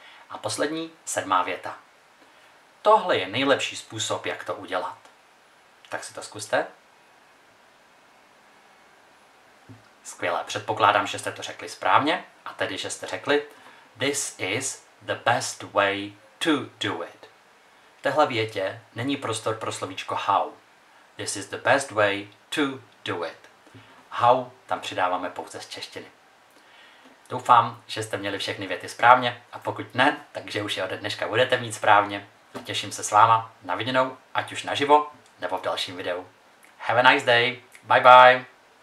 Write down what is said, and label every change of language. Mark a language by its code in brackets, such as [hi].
[cs] A poslední, 7. věta. Tohle je nejlepší způsob, jak to udělat. Tak si to zkuste. Skvělé, předpokládám, že jste to řekli správně, a tedy, že jste řekli [en] this is the best way to do it. [cs] V téhle větě není prostor pro slovíčko how. [en] This is the best way to do it. [cs] How tam přidáváme pouze z češtiny. Doufám, že jste měli všechny věty správně, a pokud ne, takže už je ode dneška budete mít správně. Těším se s váma na viděnou, ať už naživo, nebo v dalším videu. [en] Have a nice day. Bye bye.